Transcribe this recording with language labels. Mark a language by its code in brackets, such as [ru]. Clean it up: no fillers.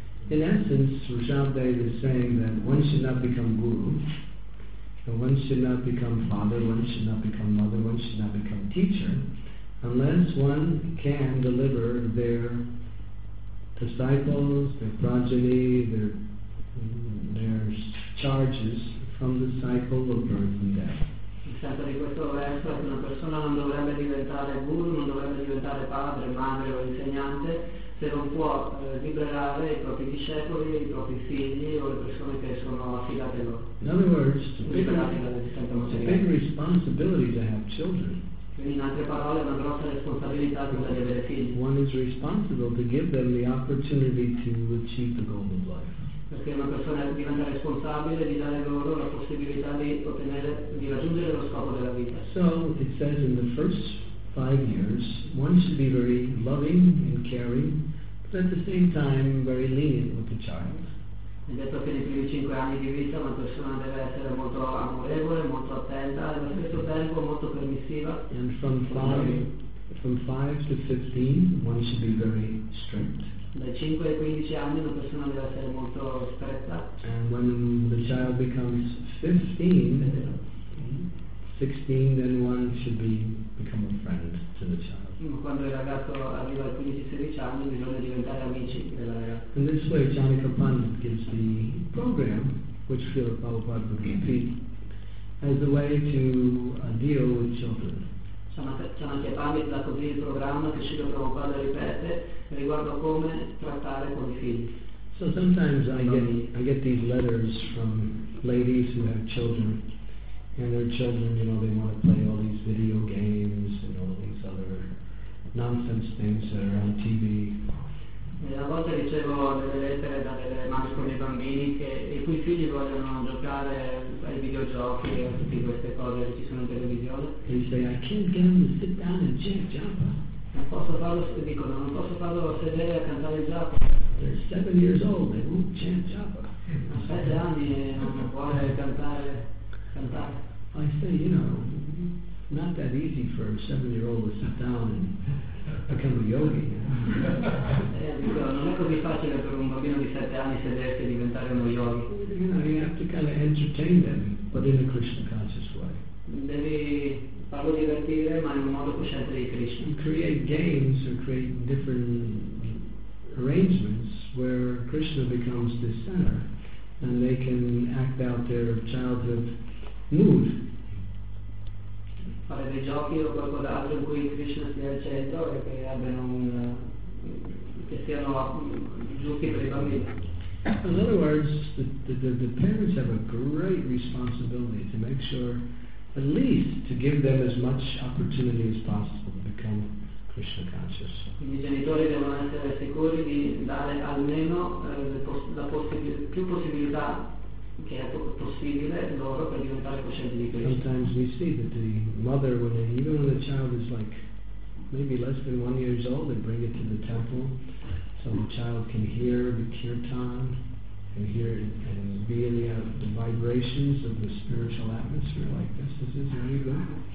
[en] In essence, Rishabdev is saying that one should not become guru, and one should not become father, one should not become mother, one should not become teacher, unless one can deliver their disciples, their progeny, their charges from the cycle of birth and death. [it] Il senso di questo verso è che una persona non dovrebbe diventare guru, non dovrebbe diventare padre, madre o insegnante se non può liberare i propri discepoli, i propri figli o le persone che sono affidate a loro. [en] In other words, it's a big responsibility to have children. [it] In altre parole, una grossa responsabilità quella di avere figli. [en] One is responsible to give them the opportunity to achieve the goal of life. [it] Perché una persona diventa responsabile di dare loro la possibilità di ottenere, di raggiungere lo scopo della vita. [en] So it says in the first 5 years, one should be very loving and caring, but at the same time very lenient with the child. [it] È detto che nei primi 5 anni di vita una persona deve essere molto amorevole, molto attenta e allo stesso tempo molto permissiva. [en] And from 5 to 15 one should be very strict. [it] Dai 5 ai 15 anni una persona deve essere molto stretta. [en] And when the child becomes 15, 16, then one should become a friend to the child. [it] Quando il ragazzo arriva ai 15-16 anni bisogna diventare amici della ragazza. [en] In this way Janaka Pandit gives the program which Srila Prabhupada would repeat as a way to deal with children. [it] Janaka Pandit dà così il programma che Srila Prabhupada ripete riguardo come trattare con i figli. [en] So sometimes I get these letters from ladies who have children, and their children, you know, they want to play all these video games and all these other nonsense things that are on TV. [it] A volte ricevo delle lettere da delle mamme con i bambini che i cui figli vogliono giocare ai videogiochi e tutte queste cose che ci sono in televisione. [en] They say, I can't get them to sit down and chant japa. [it] Non posso farlo, dicono, non posso farlo sedere a cantare il japa. [en] They're 7 years old, they won't chant japa. [it] A 7 anni e non vuole cantare. [en] I say, you know, not that easy for a 7-year-old to sit down and become a yogi. [it] Non è così facile per un bambino di 7 anni sedersi e diventare uno yogi. [en] You know, you have to kind of entertain them, but in a Krishna conscious way. [it] Devi farlo divertire, ma in un modo cosciente di Krishna. [en] You create games or create different arrangements where Krishna becomes the center, and they can act out their childhood mood. [it] Fare dei giochi o qualcos'altro in cui Krishna sia al centro e che abbiano un che siano giusti per i bambini. [en] In other words, the parents have a great responsibility to make sure, at least, to give them as much opportunity as possible to become Krishna conscious. [it] I genitori devono essere sicuri di dare almeno più possibilità che è possibile loro per diventare coscienti di Krishna. [en] Sometimes we see that the mother, when the child is like maybe less than 1 year old, they bring it to the temple so the child can hear the kirtan and hear and be in the vibrations of the spiritual atmosphere like this. This is really good.